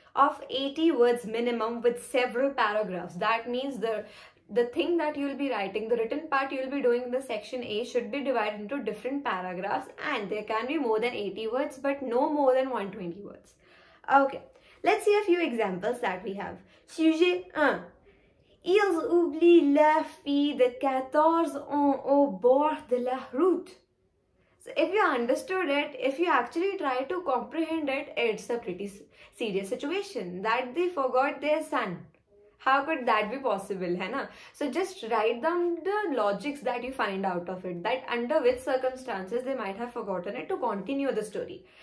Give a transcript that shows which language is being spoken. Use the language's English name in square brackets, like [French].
[English] of 80 words minimum with several paragraphs. That means the thing that you'll be writing, the written part you'll be doing in the section A should be divided into different paragraphs, and there can be more than 80 words, but no more than 120 words. Okay, let's see a few examples that we have. [French] Sujet 1. Ils oublient la fille de 14 ans au bord de la route. [English] So if you understood it, if you actually try to comprehend it, it's a pretty serious situation that they forgot their son. How could that be possible, [Hindi] hai na? [English] So just write down the logics that you find out of it, that under which circumstances they might have forgotten it, to continue the story.